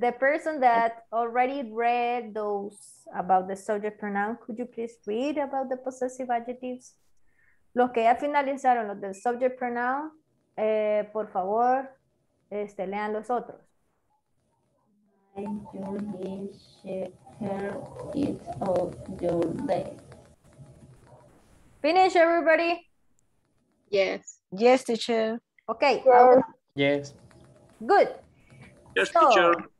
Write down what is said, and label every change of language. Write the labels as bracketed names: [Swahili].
[English] The person that already read those about the subject pronoun, could you please read about the possessive adjectives? [Spanish] Los que ya finalizaron, los del subject pronoun, por favor, lean los otros. [English] I, you, he, she, her, it, or your day. Finish, everybody. Yes. Yes, teacher. Okay. Yes. Good. Yes, teacher.